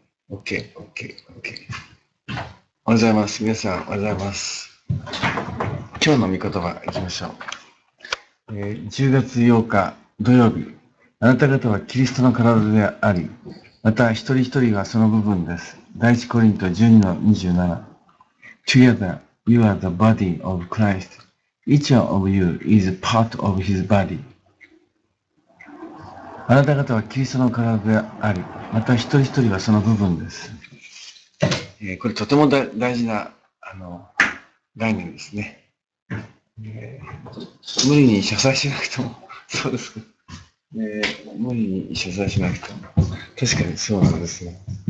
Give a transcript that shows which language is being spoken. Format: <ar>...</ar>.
<ja>OK。おはようございます。皆さん、おはようございます。今日の御言葉いきましょう。10月8日土曜日、あなた方はキリストの体であり、また一人一人がその部分です。第一コリント12の27。</ja> <en>Together you are the body of Christ. Each of you is part of his body.</en> <ja>あなた方はキリストの体であり、また一人一人がその部分です。これとても大事な概念ですね。無理に謝罪しなくても、そうですか、無理に謝罪しなくても、確かにそうなんですね。</ja>